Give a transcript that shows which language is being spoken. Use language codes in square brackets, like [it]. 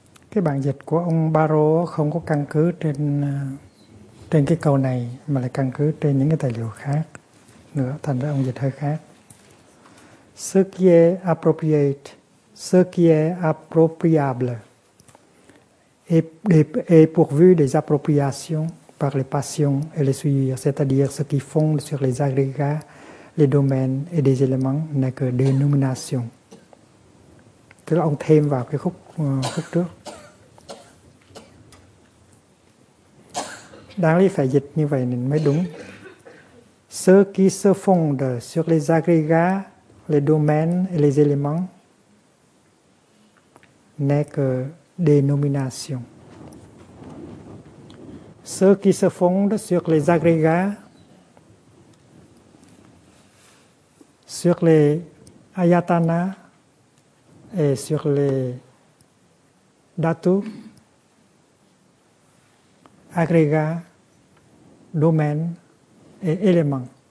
[vi] Cái bản dịch của ông Baro không có căn cứ trên cái câu này, mà lại căn cứ trên những cái tài liệu khác nữa, thành ra ông dịch hơi khác. [fr] Ce qui est appropriate, ce qui est appropriable est pourvu des appropriations par les passions et les suivre, c'est-à-dire ce qui fonde sur les agrégats, les domaines et des éléments n'est que dénomination. [vi] Tức là ông thêm vào cái khúc trước. Đáng lý phải dịch như vậy nên mới đúng. [fr] Ce qui se fonde sur les agrégats, les domaines et les éléments n'est que dénomination. Ce qui se fonde sur les agrégats, sur les ayatana et sur les datu, agrégats, domaines et éléments.